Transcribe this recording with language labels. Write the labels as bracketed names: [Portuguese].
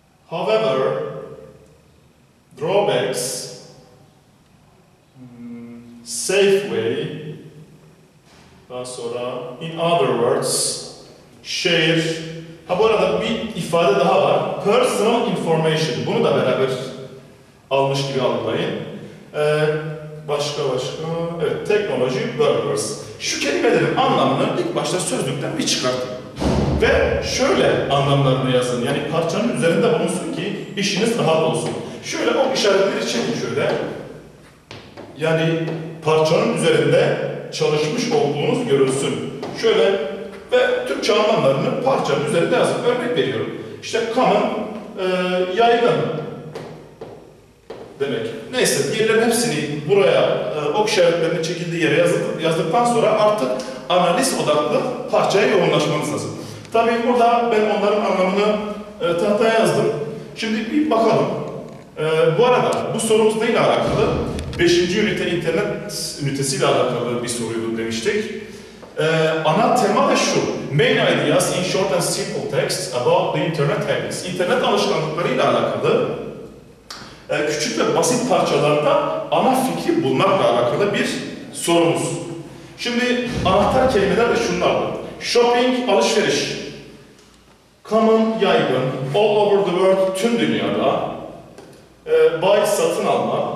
[English] However, drawbacks, safe way, [Turkish] daha sonra, [English] in other words, share. [Turkish] Ha bu arada bir ifade daha var. [English] Personal information. [Turkish] Bunu da beraber almış gibi algılayın. Başka. [English] Evet, technology workers. [Turkish] Şu kelimelerin anlamını ilk başta sözlükten bir çıkartın. Ve şöyle anlamlarını yazın. Yani parçanın üzerinde bulunsun ki işiniz rahat olsun. Şöyle o işaretleri çekin şöyle. Yani parçanın üzerinde çalışmış olduğunuz görülsün. Şöyle ve Türkçe anlamlarını parçanın üzerinde yazın. Örnek veriyorum. İşte common, yaygın. Demek. Neyse, diğerlerin hepsini buraya, ok işaretlerinin çekildiği yere yazdıktan sonra artık analiz odaklı parçaya yoğunlaşmanız lazım. Tabii burada ben onların anlamını tahtaya yazdım. Şimdi bir bakalım. Bu arada bu sorumuz neyle alakalı? 5. ünite internet ünitesiyle alakalı bir soruydu demiştik. Ana tema da şu. [English] Main ideas in short and simple text about the internet habits. [Turkish] İnternet alışkanlıklarıyla alakalı. Küçük ve basit parçalarda ana fikri bulmakla alakalı bir sorumuz. Şimdi anahtar kelimeler de şunlar. Shopping, alışveriş. Common, yaygın. [English] All over the world, [Turkish] tüm dünyada. [English] Buy, [Turkish] satın alma.